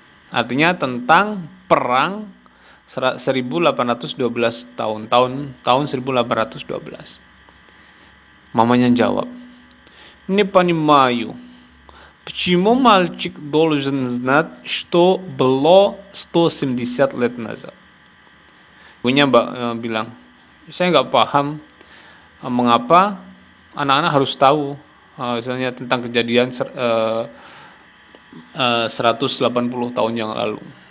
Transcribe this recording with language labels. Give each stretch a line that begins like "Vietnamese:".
Indonesian: Artinya tentang perang 1812 tahun 1812. Mamanya jawab,
Russian: "Не понимаю. Почему мальчик должен знать, что было 170 лет назад?"
Indonesian: Ibunya bilang, "Saya nggak paham mengapa anak-anak harus tahu misalnya tentang kejadian 180 tahun yang lalu.